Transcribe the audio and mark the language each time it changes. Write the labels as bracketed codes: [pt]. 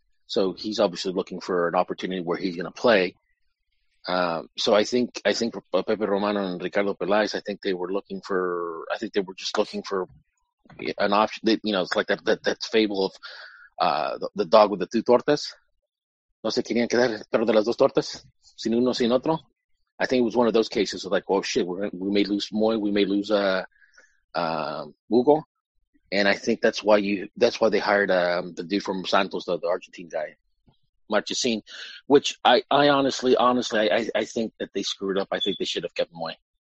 [en] So he's obviously looking for an opportunity where he's going to play. So I think Pepe Romano and Ricardo Peláez, I think they were just looking for an option. They, you know, it's like that fable of the dog with the two tortas. [es] No se querían quedar, pero de las dos tortas, sin uno, sin otro. [en] I think it was one of those cases of like, oh shit, we may lose Moy, we may lose Hugo. And I think that's why they hired the dude from Santos, the Argentine guy. Marchesin, which I honestly think that they screwed up. I think they should have kept Moy.